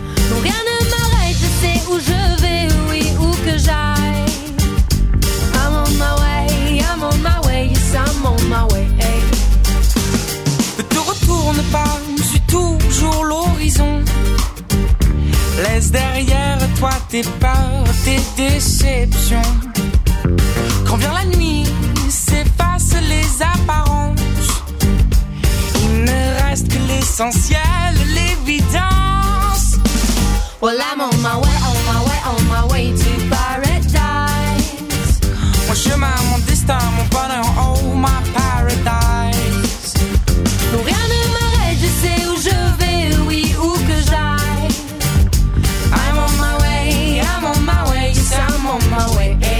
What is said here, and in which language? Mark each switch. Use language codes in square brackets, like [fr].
[fr] Non, rien ne m'arrête, je sais où je vais, oui, où que j'aille. [en] I'm on my way, yes, I'm on my way, hey. [fr] Ne te retourne pas, je suis toujours l'horizon. Laisse derrière toi tes peurs, tes déceptions. Quand vient la nuit, s'efface les apparences. Il ne reste que l'essentiel, l'évidence. [en] Well, I'm on my way, on my way, on my way to paradise. [fr] Mon chemin, mon destin, mon bonheur, oh my paradise. Non, rien ne m'arrête, je sais où je vais, oui, où que j'aille. [en] I'm on my way, I'm on my way, yes, I'm on my way.